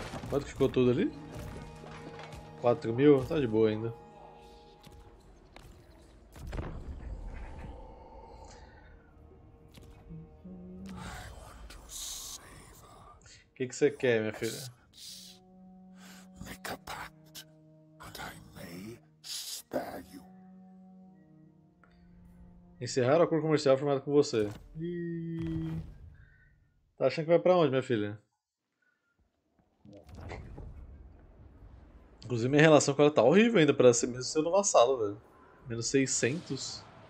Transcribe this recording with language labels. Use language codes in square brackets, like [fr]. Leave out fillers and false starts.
[pt] Quanto que ficou tudo ali? 4 mil? Tá de boa ainda. que você quer, minha filha? [en] Make a pact, and I may spare you. [pt] Encerraram o acordo comercial firmado com você. Tá achando que vai pra onde, minha filha? Inclusive, minha relação com ela tá horrível ainda pra ser mesmo sendo vassalo, velho. Menos 600.